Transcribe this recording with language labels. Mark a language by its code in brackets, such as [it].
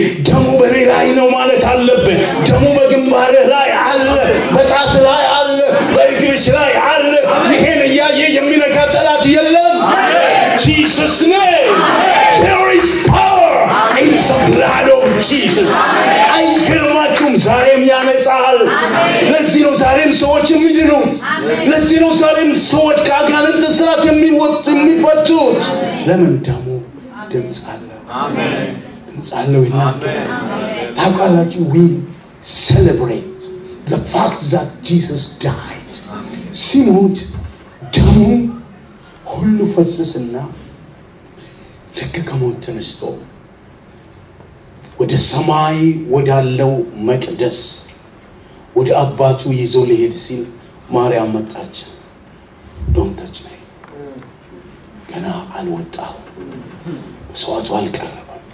[am] ደሙ በኔ ላይ ነው ማለት አለበት። ደሙ በግንባርህ ላይ አለ፣ በጣት ላይ አለ፣ በእግርሽ ላይ አለ። ይሄን እያየ የሚነካ ጠላት የለም። [en] Jesus name there is power in the blood of Jesus. [am] አይገርማችሁም? ዛሬም ያነጻል። ለዚህ ነው ዛሬም ሰዎች የሚድኑት። ለዚህ ነው ዛሬም ሰዎች ከአጋንንት እስራት የሚፈቱት። ለምን? ደሙ ድምፅ አለው። ድምፅ አለው ይናገራል። ታውቃላችሁ? [en] we celebrate the fact that Jesus died. [am] ሲሞት ደሙ ሁሉ ፈሰሰና ለከ ከሞት ተነስቶ ወደ ሰማይ ወዳለው መቅደስ ወደ አባቱ ይዞ ሊሄድ ሲል ማርያም መጣች። ዶንታች ላይ ገና አልወጣው መስዋዕቱ አልቀረበ።